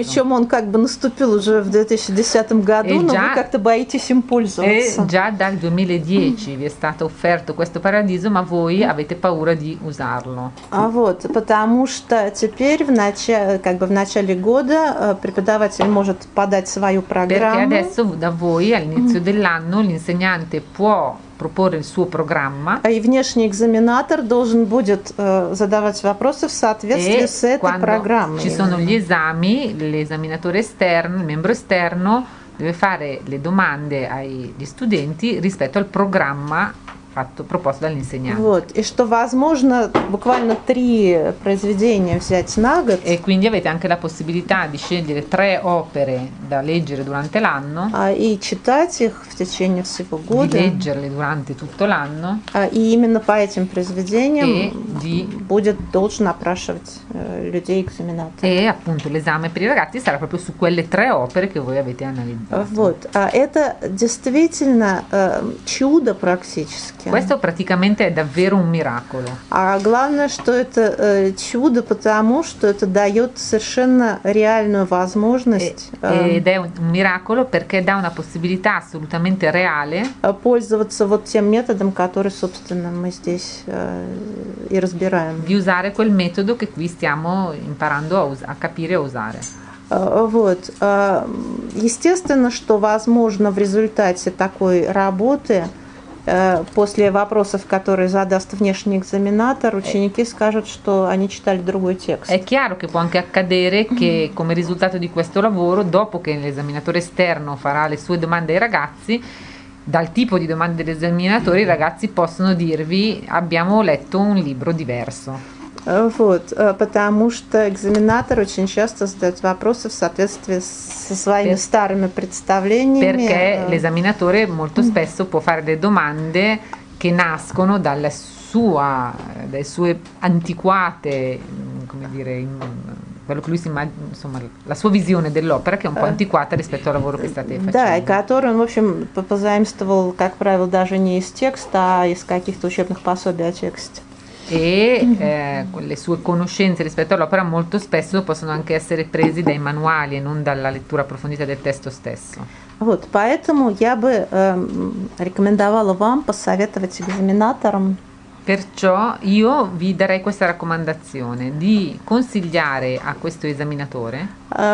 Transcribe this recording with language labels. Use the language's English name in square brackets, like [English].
[Russian] Причем он как бы наступил уже в 2010 году, но вы как-то боитесь им пользоваться. [Italian] Già dal 2010 vi è stato offerto questo paradiso, ma voi avete paura di usarlo. [Russian] А вот, потому что теперь в начале, как бы в начале года преподаватель может подать свою программу. [Italian] Perché adesso da voi all'inizio dell'anno l'insegnante può proporre il suo programma. [Russian] И внешний экзаменатор должен будет задавать вопросы в соответствии с этой программой. [Italian] Ci sono gli esami, l'esaminatore esterno, il membro esterno deve fare le domande agli studenti rispetto al programma. Proposto dall'insegnante. [Russian] Вот, и что возможно буквально три произведения взять на год. [Italian] E quindi avete anche la possibilità di scegliere tre opere da leggere durante l'anno. [Russian] И читать их в течение всего года. [Italian] Di leggerle durante tutto l'anno. [Russian] И именно по этим произведениям должен опрашивать людей экзаменатор. [Italian] E appunto l'esame per i ragazzi sarà proprio su quelle tre opere che voi avete analizzato. [Russian] Вот, это действительно чудо практически. [Italian] Questo praticamente è davvero un miracolo. [Russian] А главное, что это чудо, потому что это дает совершенно реальную возможность. [Italian] Ed è un miracolo perché dà una possibilità assolutamente reale. [Russian] Пользоваться вот тем методом, который, собственно, мы здесь и разбираем. [Italian] Di usare quel metodo che qui stiamo imparando a capire e usare. [Russian] Вот. Естественно, что возможно в результате такой работы, после вопросов, которые задаст внешний экзаменатор, ученики скажут, что они читали другой текст. [Italian] È chiaro che può anche accadere che come risultato di questo lavoro, dopo che l'esaminatore esterno farà le sue domande ai ragazzi, dal tipo di domande dell'esaminatore, i ragazzi possono dirvi: abbiamo letto un libro diverso. [Russian] Вот, потому что экзаменатор очень часто задает вопросы в соответствии со своими старыми представлениями. [Italian] Perché l'esaminatore molto spesso può fare delle domande che nascono dalla sua, dalle sue antiquate, come dire, quello che lui si immagina, insomma, la sua visione dell'opera che è un po' antiquata rispetto al lavoro che state facendo. [Russian] Да, и который он, в общем, позаимствовал, как правило, даже не из текста, а из каких-то учебных пособий о тексте. [Italian] E le sue conoscenze rispetto all'opera molto spesso possono anche essere presi dai manuali e non dalla lettura approfondita del testo stesso. [Russian] Вот, поэтому я бы рекомендовала вам посоветовать экзаменаторам. [Italian] Perciò io vi darei questa raccomandazione di consigliare a questo esaminatore